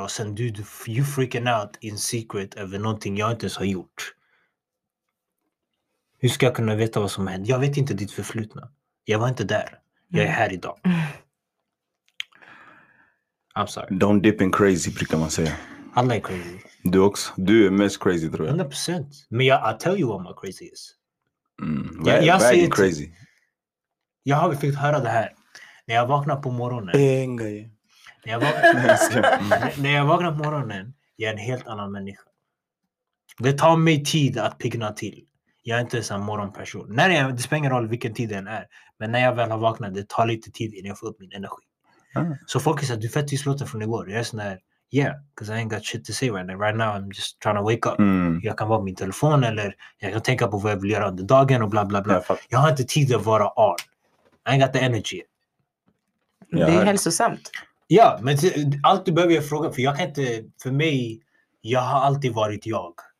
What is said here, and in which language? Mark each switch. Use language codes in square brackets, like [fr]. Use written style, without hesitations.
[sv] Och sen [en] you freaking out in secret [sv] över någonting jag inte ens har gjort. Hur ska jag kunna veta vad som har hänt? Jag vet inte ditt förflutna. Jag var inte där. Jag är här idag. [en] I'm sorry. Don't dip in crazy, [sv] brukar man säga. Alla är crazy. Du också. Du är mest crazy, tror jag. 100%. Men [en] I tell you what my crazy is. [sv] Vad är crazy? Jag har fått höra det här. När jag vaknar på morgonen. När jag vaknar på morgonen. Jag är en helt annan människa. Det tar mig tid att pigna till. Jag är inte en morgonperson. Det spelar ingen roll vilken tid den är. Men när jag väl har vaknat. Det tar lite tid innan jag får upp min energi. Så folk säger att du är fett tystlåten från igår. Jag är sån där. [en] Yeah, because I ain't got shit to say right now. Right now I'm just trying to wake up. [sv] Jag kan vara på min telefon eller jag kan tänka på vad jag vill göra under dagen och bla bla bla. Jag har inte tid att vara on. [en] I ain't got the energy. [sv] Det är hälsosamt. Ja, men allt du behöver fråga, för jag kan inte, för mig, jag har alltid varit jag.